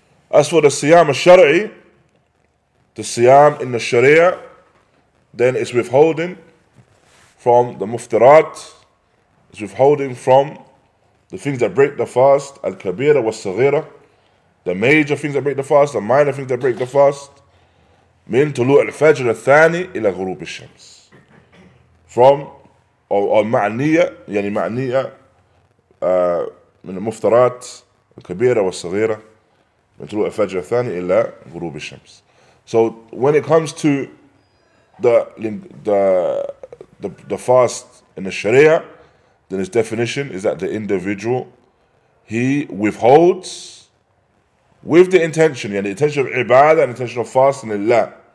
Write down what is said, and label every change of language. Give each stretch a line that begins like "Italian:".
English: As for the siyam al-shari'i, the siyam in the sharia, then it's withholding from the muftirat, it's withholding from the things that break the fast, al-kabira wa-sagira, the major things that break the fast, the minor things that break the fast,
Arabic: من طلوع الفجر الثاني إلى غروب الشمس.
English: From or
Arabic: معنية يعني معنية من المفترات الكبيرة والصغيرة من طلوع الفجر الثاني إلى غروب الشمس.
English: So when it comes to the fast in the Sharia, then its definition is that the individual he withholds with the intention, yeah, the intention of ibadah and intention of fasting Allah.